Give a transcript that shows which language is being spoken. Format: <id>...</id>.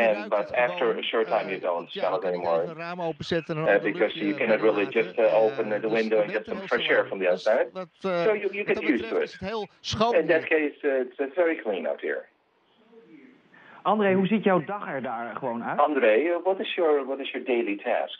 <en>But after a short time, you don't smell it anymore. Because you cannot really just open the window and get some fresh air from the outside. So you get used to it. In that case, it's very clean out here.</en> <nl>André, hoe ziet jouw dag er daar gewoon uit?</nl> <en>André, what is your daily task?</en>